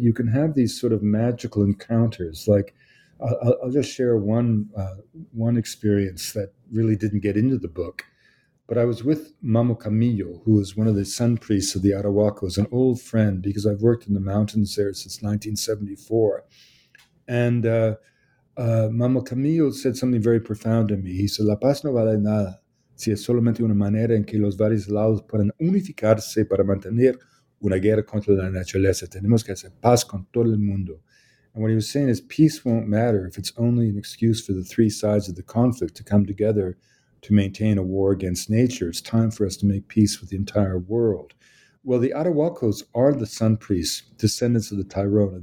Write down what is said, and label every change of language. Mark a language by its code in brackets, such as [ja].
[en] You can have these sort of magical encounters. Like, I'll just share one experience that really didn't get into the book. But I was with Mamo Camillo, who is one of the sun priests of the Arawakos, an old friend, because I've worked in the mountains there since 1974. Mamo Camillo said something very profound to me. He said, [es] "La paz no vale nada si es solamente una manera en que los varios lados pueden unificarse para mantener una guerra contra la naturaleza. Tenemos que hacer paz con todo el mundo." [en] And what he was saying is, peace won't matter if it's only an excuse for the three sides of the conflict to come together to maintain a war against nature. It's time for us to make peace with the entire world, Well, the Atahualcos are the sun priests, descendants of the Tairona.